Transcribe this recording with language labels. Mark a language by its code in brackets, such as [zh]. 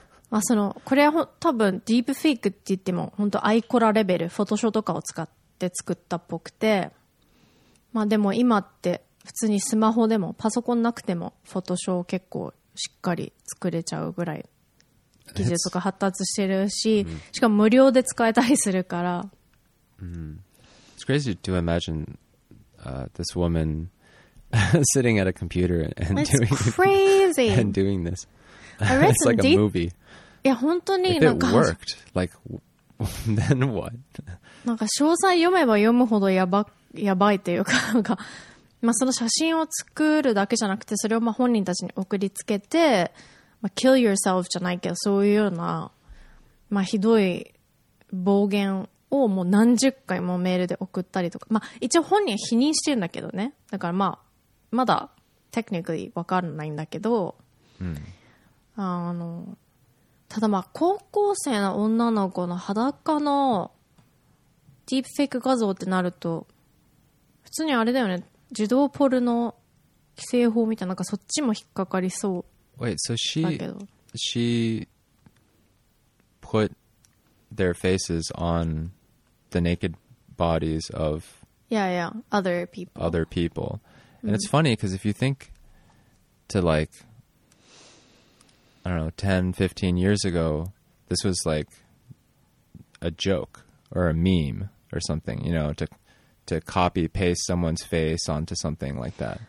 [ja] まあそのこれは多分ディープフェイクって言っても本当アイコラレベル、フォトショーとかを使って作ったっぽくて、まあでも今って普通にスマホでもパソコンなくてもフォトショー結構しっかり作れちゃうぐらい技術が発達してるし、うん、しかも無料で使えたりするから、 [en] うん、It's crazy to imagine、this woman sitting at a computer and doing and doing this. It's like a movie. [ja] いや本当になんか [en] If it worked, like then what? [ja] なんか詳細読めば読むほどやばいっていうか、なんかまあその写真を作るだけじゃなくて、それをまあ本人たちに送りつけて、まあ、 [en] kill yourself [ja] じゃないけどそういうようなまあひどい暴言をもう何十回もメールで送ったりとか、まあ一応本人は否認してるんだけどね、だからまあまだテクニカリー分かんないんだけど、うん、あのただまあ高校生の女の子の裸のディープフェイク画像ってなると普通にあれだよね、自動ポルノ規制法みたいな、なんかそっちも引っかかりそう。 [en] Wait, so she put their faces on the naked bodies of other people. And it's funny because if you think to like, I don't know, 10, 15 years ago, this was like a joke or a meme or something, you know, to copy paste someone's face onto something like that.